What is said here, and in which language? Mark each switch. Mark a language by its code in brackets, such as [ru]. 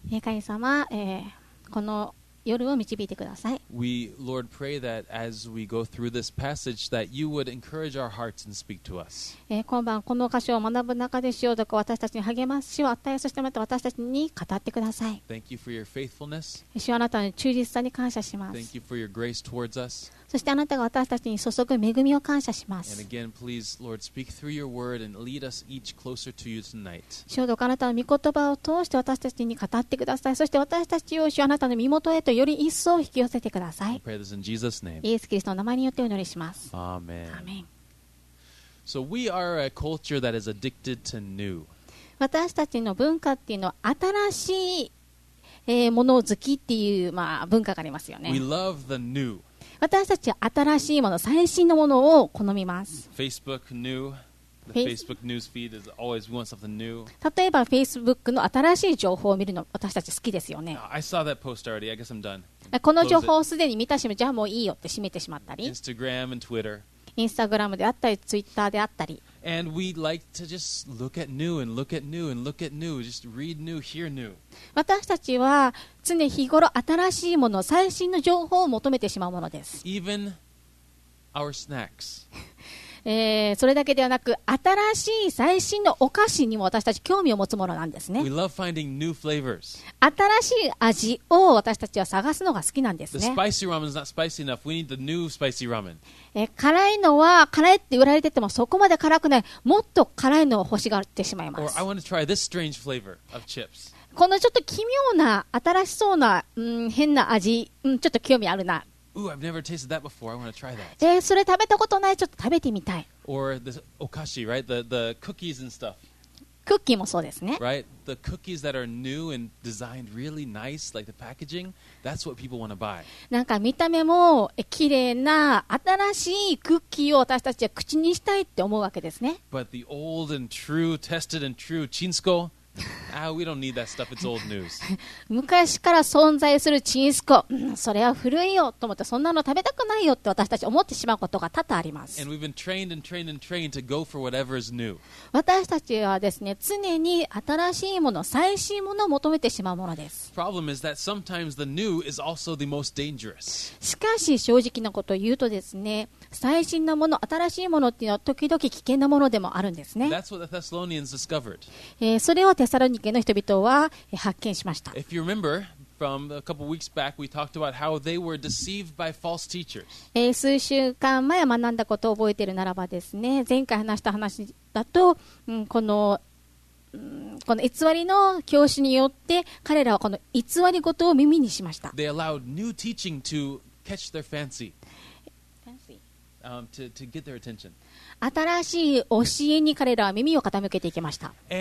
[ja] 神様、この夜を導いてください。 [en] We, Lord, pray that as we go through this passage, that you would encourage our hearts and speak to us. [ja] 今晩この箇所を学ぶ中でしようとか私たちに励ましを与え、そしてまた私たちに語ってください。 [en] Thank you for your faithfulness. [ja] 主あなたの忠実さに感謝します。 [en] Thank you for your grace towards us. [ja] そしてあなたが私たちに注ぐ恵みを感謝します。 [en] And again, please, Lord, speak through your word and lead us each closer to you tonight. [ja] 主どうかあなたの御言葉を通して私たちに語ってください。そして私たちを主あなたの身元へとより一層引き寄せてください。イエス・キリストの名前によってお祈りします。アーメン。 [en] So we are a culture that is addicted to new. [ja] 私たちの文化っていうのは新しい、もの好きっていう、まあ、文化がありますよね。 [en] We love the new. [ja] 私たちは新しいもの、最新のものを好みます。 [en] Facebook new. The Facebook news feed is always, we want something new. [ja] 例えば Facebook の新しい情報を見るの私たち好きですよね。 [en] I saw that post already. I guess I'm done. [ja] この情報をすでに見たし、じゃあもういいよって閉めてしまったり。 [en] Instagram and Twitter. [ja] Instagram であったり、Twitter であったり。 [en] And we like to just look at new and look at new and look at new. Just read new, hear new. [ja] 私たちは常日頃新しいもの、最新の情報を求めてしまうものです。 [en] Even our snacks. [ja] それだけではなく新しい最新のお菓子にも私たち興味を持つものなんですね。 [en] We love finding new flavors. [ja] 新しい味を私たちは探すのが好きなんですね。 [en] The spicy ramen is not spicy enough. We need the new spicy ramen. [ja] 辛いのは辛いって言われててもそこまで辛くない、もっと辛いのを欲しがってしまいます。 [en] Or I want to try this strange flavor of chips. [ja] このちょっと奇妙な新しそうな、変な味、ちょっと興味あるな。 [en] Ooh, I've never tasted that before. I want to try that. [ja] それ食べたことない、ちょっと食べてみたい。 [en] Or the お菓子、right? The cookies and stuff. [ja] クッキーもそうですね。 [en] Right? The cookies that are new and designed really nice, like the packaging, that's what people want to buy. [ja] なんか見た目も綺麗な新しいクッキーを私たちは口にしたいって思うわけですね。 [en] But the old and true, tested and true chinsko. Ah, we don't need that stuff. It's old news. [ja] 昔から存在するチンスコ、それは古いよと思って、そんなの食べたくないよって私たち思ってしまうことが多々あります。 [en] And we've been trained and trained and trained to go for whatever is new. [ja] 私たちはですね、常に新しいもの、最新ものを求めてしまうものです。 [en] Problem is that sometimes the new is also the most dangerous. [ja] しかし正直なことを言うとですね、最新のもの、新しいものっていうのは時々危険なものでもあるんですね。 [en] That's what the Thessalonians discovered. [ja] それをテサロニケの人々は発見しました。 [en] If you remember, from a couple weeks back, we talked about how they were deceived by false teachers. [ja] 数週間前学んだことを覚えているならばですね、前回話した話だと、この偽りの教師によって彼らはこの偽り事を耳にしました。 [en] They allowed new teaching to catch their fancy. To get their attention. [ja] 新しい教えに彼らは耳を傾けていきました。